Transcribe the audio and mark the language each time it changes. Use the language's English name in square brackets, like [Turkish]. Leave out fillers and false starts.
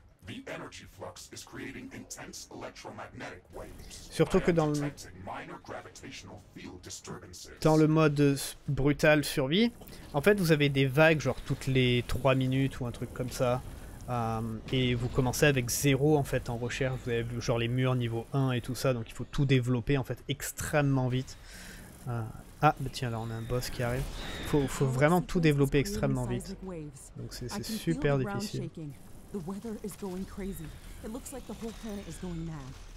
[English] The energy flux is creating intense electromagnetic waves. [French] Surtout que dans le mode brutal survie, en fait vous avez des vagues genre toutes les 3 minutes ou un truc comme ça, et vous commencez avec zéro en fait en recherche, vous avez genre les murs niveau 1 et tout ça, donc il faut tout développer en fait extrêmement vite. Ah bah tiens là on a un boss qui arrive, faut vraiment tout développer extrêmement vite, donc c'est super difficile. [English] The weather is going crazy. It looks like the whole planet is going mad.